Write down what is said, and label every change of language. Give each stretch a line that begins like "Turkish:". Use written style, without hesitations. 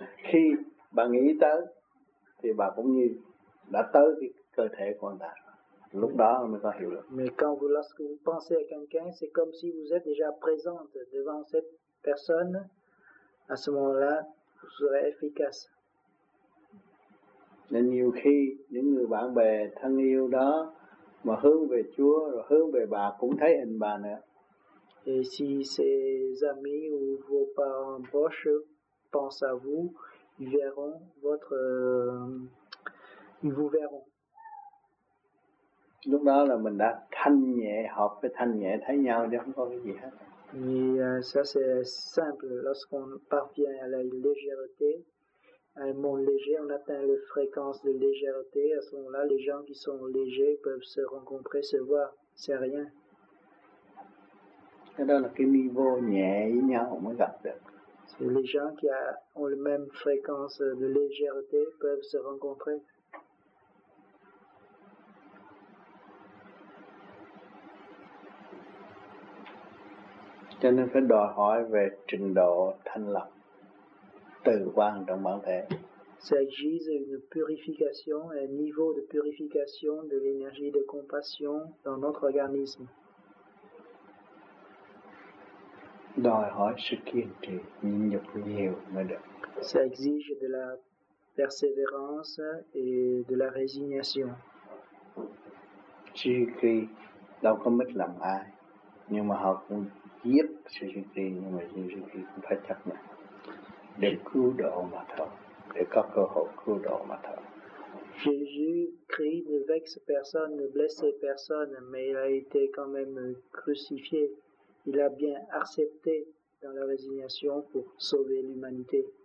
Vietnamese: Khi bà nghĩ tới, thì bà cũng như đã tới cái cơ thể của anh ta. Lúc đó mới có hiểu được.
French: Mais quand vous, lorsque vous pensez à quelqu'un, c'est comme si vous êtes déjà présente devant cette personne. À ce moment-là, vous serez efficace.
Vietnamese: Nên nhiều khi những người bạn bè thân yêu đó mà hướng về Chúa rồi hướng về bà cũng thấy hình bà nữa.
French: Et si ses amis ou vos parents proches pensent à vous, ils verront votre, ils vous verront.
Vietnamese: Lúc đó là mình đã thanh nhẹ, hợp với thanh nhẹ, thấy nhau chứ không có cái gì hết.
French: Thì ça c'est simple, lorsqu'on parvient à la légèreté, à un monde léger, on atteint la fréquence de légèreté, à ce moment-là, les gens qui sont légers peuvent se rencontrer, se voir, c'est rien.
Vietnamese: Cái đó là cái niveau nhẹ với nhau mới gặp được.
French: C'est les gens qui ont la même fréquence de légèreté peuvent se rencontrer.
Vietnamese: Cho nên phải đòi hỏi về trình độ thanh lọc từ quan trong bản thể.
French: Ça exige une purification, un niveau de purification de l'énergie de compassion dans notre organisme.
Vietnamese: Đòi hỏi sự kiên trì, nhịn nhục nhiều mới được.
French: Ça exige de la persévérance et de la résignation.
Vietnamese: Chỉ khi đâu có mất lòng ai, nhưng mà họ cũng giết sự duy trì, nhưng mà duy trì cũng phải chấp nhận để cứu độ mà thôi, để có cơ hội cứu độ mà thôi.
French: Jésus-Christ ne vexe personne, ne blesse personne, mais il a été quand même crucifié. Il a bien accepté dans la résignation pour sauver l'humanité.